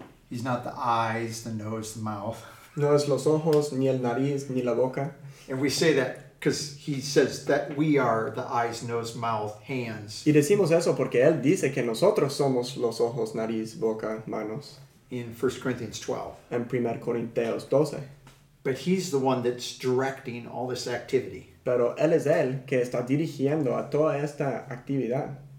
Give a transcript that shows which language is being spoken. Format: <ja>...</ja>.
<en>He's not the eyes, the nose, the mouth.</en> <es>No es los ojos, ni el nariz, ni la boca.</es> <en>And we say that because he says that we are the eyes, nose, mouth, hands.</en> <es>Y decimos eso porque él dice que nosotros somos los ojos, nariz, boca, manos.</es> <en>In 1 Corinthians 12.</en> <es>En 1 Corintios 12.</es> <en>But he's the one that's directing all this activity.</en> <es>Pero él es el que está dirigiendo a toda esta actividad.</es>